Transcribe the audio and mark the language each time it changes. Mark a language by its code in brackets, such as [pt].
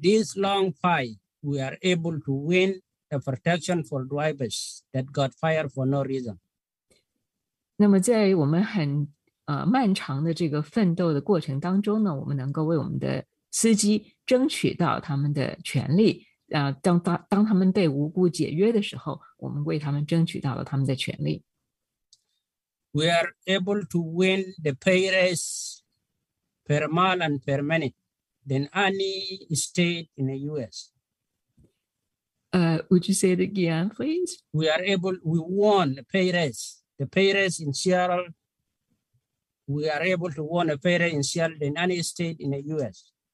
[en] this long fight, we are able to win the protection for drivers that got fired for no reason. [zh] 那么在我们很漫长的这个奋斗的过程当中呢，我们能够为我们的司机争取到他们的权利。当他们被无故解约的时候，我们为他们争取到了他们的权利。 [en] We are able to win the pay raise per mile and per minute than any state in the U.S. Would you say it again, please? We won the pay raise. The pay raise in Seattle, we are able to win a pay raise in Seattle than any state in the U.S.